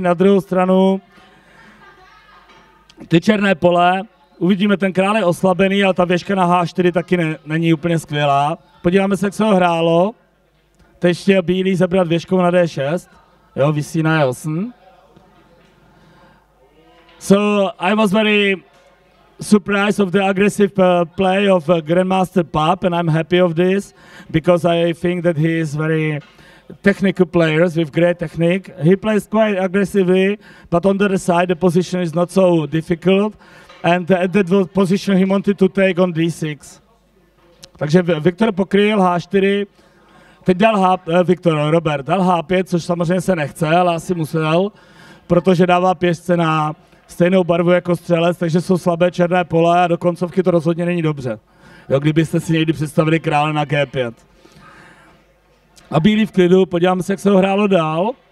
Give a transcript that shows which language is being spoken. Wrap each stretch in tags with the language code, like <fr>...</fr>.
<cs>Na druhou stranu ty černé pole, uvidíme, ten král je oslabený, ale ta věžka na H4 taky není úplně skvělá. Podíváme se, jak se ho hrálo. Teď chtěl bílý zebrat věžkou na D6. Jo, visí na E8.</cs> <en>So, I was very surprised of the aggressive play of Grandmaster Pap, and I'm happy of this, because I think that he is very technical players with great technique. He plays quite aggressively, but on the other side, the position is not so difficult. And at that position he wanted to take on D6.</en> <cs>Takže Viktor pokryl H4, teď dal Robert dal H5, což samozřejmě se nechce, ale asi musel, protože dává pěšce na stejnou barvu jako střelec, takže jsou slabé černé pole a do koncovky to rozhodně není dobře. Jo, kdybyste si někdy představili krále na G5. A bílý v klidu, podívám se, jak se ho hrálo dál.</cs>